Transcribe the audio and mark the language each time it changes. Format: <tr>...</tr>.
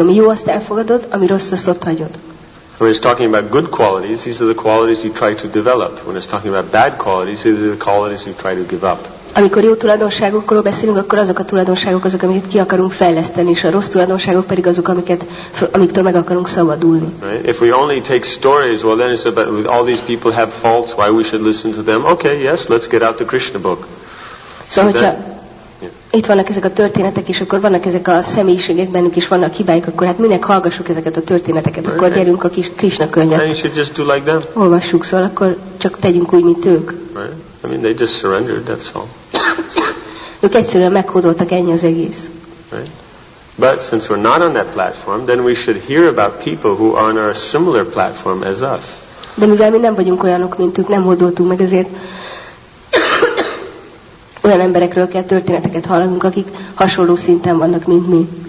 <hu>Ami jó, azt elfogadod, ami rossz, azt ott hagyod.</hu> <en>When he's talking about good qualities, these are the qualities you try to develop. When he's talking about bad qualities, these are the qualities you try to give up.</en> <hu>Amikor jó tulajdonságokról beszélünk, akkor azok a tulajdonságok azok, amiket ki akarunk fejleszteni, és a rossz tulajdonságok pedig azok, amiktől meg akarunk szabadulni.</hu> <en>Right. If we only take stories, well then it's about all these people have faults, why we should listen to them. Okay, yes, let's get out the Krishna book.</en> <hu>Itt vannak ezek a történetek, és akkor vannak ezek a személyiségek bennük is vannak hibáik, akkor hát minek hallgassuk ezeket a történeteket, akkor gyerünk a kis Krishna könyvet.</hu> <en>And you should just do like them.</en> <hu>Olvassuk, szóval akkor csak tegyünk úgy, mint ők.</hu> <en>Right. I mean, they just surrendered, that's all.</en> <hu>Ők egyszerűen meghódoltak, ennyi az egész.</hu> <en>Right. But since we're not on that platform, then we should hear about people who are on a similar platform as us.</en> <hu>De mivel mi nem vagyunk olyanok, mint ők, nem hódoltunk meg, ezért olyan emberekről kell történeteket hallanunk, akik hasonló szinten vannak, mint mi.</hu>